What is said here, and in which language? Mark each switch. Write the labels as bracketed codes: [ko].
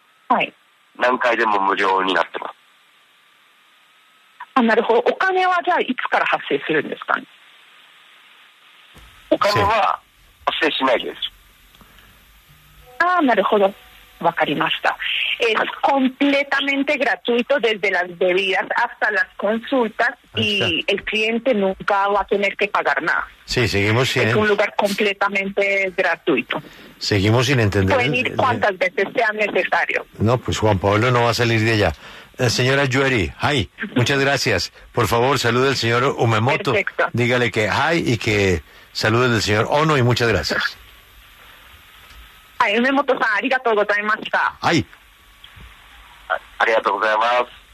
[ja] はい、何回でも無料になってます。あ、なるほど。お金はじゃあいつから発生するんですかね。お金は発生しないです。あ、なるほど、わかりました。 [es] Es completamente gratuito desde las bebidas hasta las consultas y el cliente nunca va a tener que pagar nada. Sí, seguimos sin. Es un lugar completamente gratuito. Seguimos sin entender. Pueden ir cuantas veces sea necesario. No, pues Juan Pablo no va a salir de allá. Señora Yueri, hi, muchas gracias. Por favor, salude al señor Umemoto. Perfecto. Dígale que hi y que salude del señor Ono y muchas gracias. [ja] はい、梅本さん、ありがとうございました。はい。ありがとうございます。